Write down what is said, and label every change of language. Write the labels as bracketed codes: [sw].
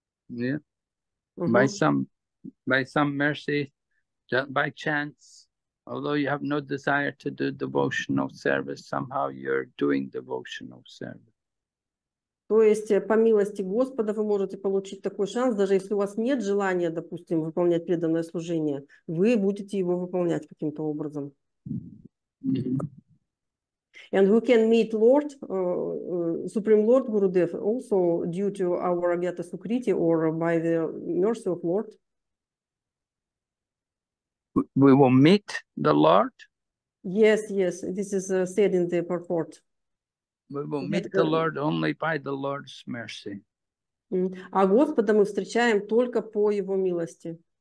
[en] Yeah. By some mercy, by chance, although you have no desire to do devotional service, somehow you're doing devotional service. [ru] То есть по милости Господа вы можете получить такой шанс, даже если у вас нет желания, допустим, выполнять преданное служение, вы будете его выполнять каким-то образом. [en] And we can meet Lord, Supreme Lord Gurudev, also due to our Agyata Sukriti or by the mercy of Lord. We will meet the Lord? Yes, yes, this is said in the purport. We will meet the Lord only by the Lord's mercy. [ru] А Господа мы встречаем только по Его милости.